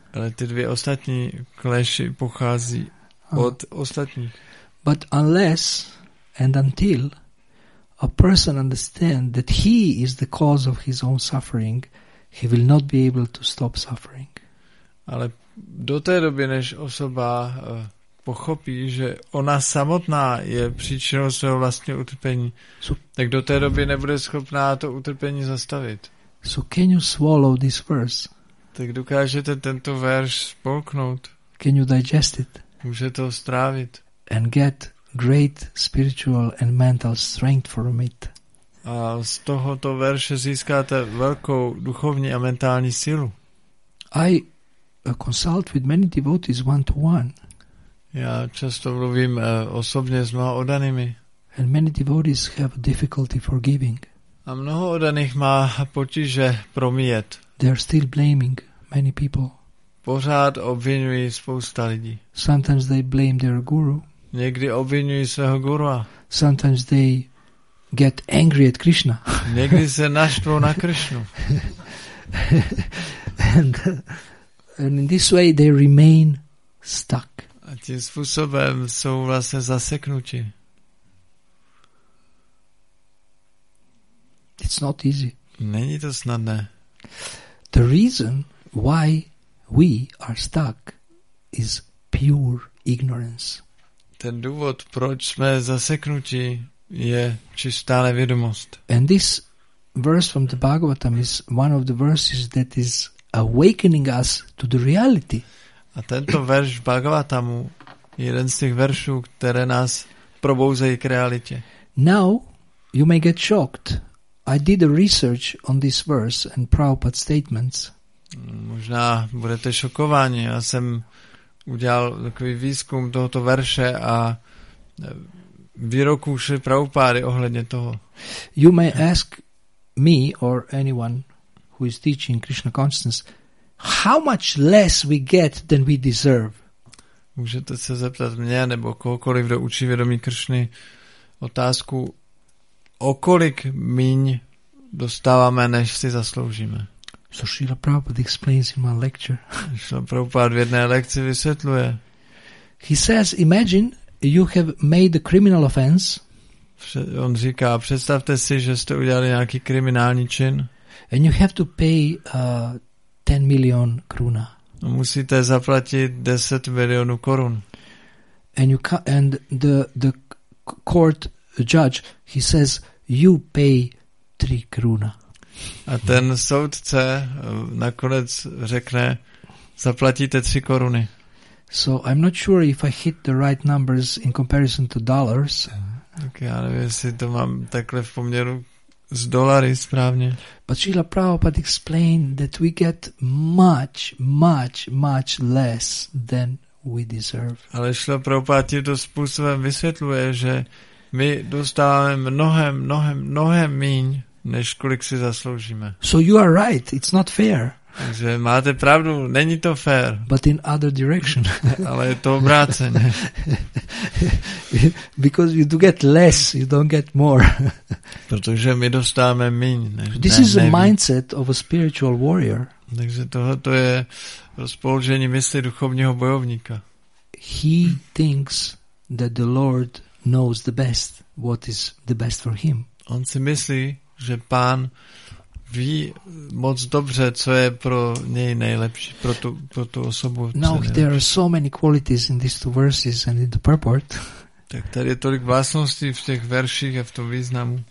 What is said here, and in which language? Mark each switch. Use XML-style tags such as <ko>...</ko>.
<cs>Ale ty dvě ostatní kleshy pochází od ostatních.</cs> <en>But unless and until a person understands that he is the cause of his own suffering, he will not be able to stop suffering.</en> <cs>Ale do té doby, než osoba pochopí, že ona samotná je příčinou svého vlastního utrpení, tak do té doby nebude schopná to utrpení zastavit.</cs> <en>So can you swallow this verse?</en> <cs>Tak dokážete tento verš spolknout?</cs> <en>Can you digest it?</en> <cs>Může to strávit.</cs> <en>And get great spiritual and mental strength from it.</en> <cs>A z tohoto verše získáte velkou duchovní a mentální sílu.</cs> <en>I consult with many devotees one to one.</en> <cs>Já často mluvím osobně s mnoha oddanými.</cs> <en>And many devotees have difficulty forgiving.</en> <cs>A mnoho oddaných má potíže promíjet.</cs> <en>They are still blaming many people.</en> <cs>Pořád obvinují spousta lidí.</cs> <en>Sometimes they blame their guru.</en> <cs>Někdy obvinují svého gurua.</cs> <en>Sometimes they get angry at Krishna.</en> <cs>Někdy se naštvou na Krishnu.</cs> <en>And in this way they remain stuck.</en> <cs>A tím způsobem jsou vlastně zaseknuti.</cs> <en>It's not easy.</en> <cs>Není to snadné.</cs> <en>The reason why we are stuck is pure ignorance.</en> <cs>Ten důvod, proč jsme zaseknutí, je čistá nevědomost.</cs> <en>And this verse from the Bhagavatam is one of the verses that is awakening us to the reality.</en> <cs>A tento verš v Bhagavatamu je jeden z těch veršů, které nás probouzejí k realitě.</cs> <en>Now You may get shocked. I did a research on this verse and Prabhupada's statements.</en> <cs>Možná budete šokováni. Já jsem udělal takový výzkum tohoto verše a výroků Šri Prabhupády ohledně toho.</cs> <en>You may ask me or anyone who is teaching Krishna consciousness, how much less we get than we deserve.</en> <cs>Můžete se zeptat mě nebo kohokoliv, kdo učí vědomí Kršny, otázku, o kolik míň dostáváme, než si zasloužíme.</cs> <en>So Srila Prabhupada explains in one lecture.</en> <cs>Srila Prabhupada v jedné lekci vysvětluje.</cs> <en>He says, imagine you have made a criminal offense.</en> <cs>On říká, představte si, že jste udělali nějaký kriminální čin.</cs> <en>And you have to pay 10 million kruna.</en> <cs>Musíte zaplatit 10 milionů korun.</cs> <en>And you and the court judge, he says, you pay 3 kruna.</en> <cs>A ten soudce nakonec řekne, zaplatíte 3 koruny.</cs> <en>So I'm not sure if I hit the right numbers in comparison to dollars.</en> <cs>Tak já nevím, jestli to mám takhle v poměru z dolary správně.</cs> <en>But Srila Prabhupada explained that we get much, much, much less than we deserve.</en> <cs>Ale Srila Prabhupada tímto způsobem vysvětluje, že my dostáváme mnohem, mnohem, mnohem míň, než kolik si zasloužíme.</cs> <en>So you are right, it's not fair.</en> <cs>Takže máte pravdu, není to fair.</cs> <en>But in other direction.</en> <cs>Ale je to obráceně.</cs> <en>Because you do get less, you don't get more.</en> <cs>Protože my dostáváme míň. Než</cs> <en>this</en> <cs>ne,</cs> <en>is the mindset of a spiritual warrior.</en> <cs>Takže tohoto je rozpoložení mysli duchovního bojovníka.</cs> <en>He thinks that the Lord knows the best, what is the best for him.</en> <cs>On si myslí, že pán ví moc dobře, co je pro něj nejlepší, pro tu osobu.</cs> <en>Now there are so many qualities in these two verses and in the purport.</en> <cs>Tak tady je tolik vlastností v těch verších a v tom významu.</cs>